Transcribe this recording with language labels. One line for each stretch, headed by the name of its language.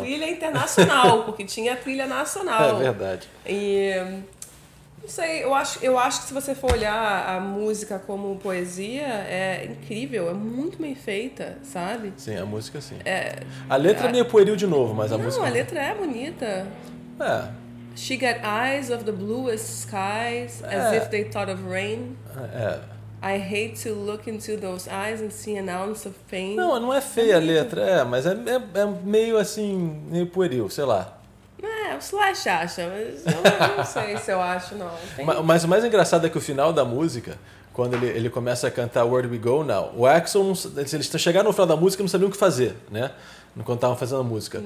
Portuguese: Trilha internacional, porque tinha trilha nacional. É verdade. Não sei, eu acho que se você for olhar a música como poesia, é incrível, é muito bem feita, sabe? Sim, a música sim. É, a letra é meio pueril de novo, mas música... Não, a letra é bonita. É.
English: She got eyes of the bluest skies, as if they thought of rain. I hate to look into those eyes and see an ounce of pain.
Portuguese: Não é feia a letra, mas é meio assim, meio pueril, sei lá. O Slash acha, mas eu não sei se eu acho, não. Mas o mais engraçado é que o final da música, quando ele começa a cantar Where Do We Go Now, o Axl, eles chegaram no final da música e não sabiam o que fazer, né? Quando estavam fazendo a música.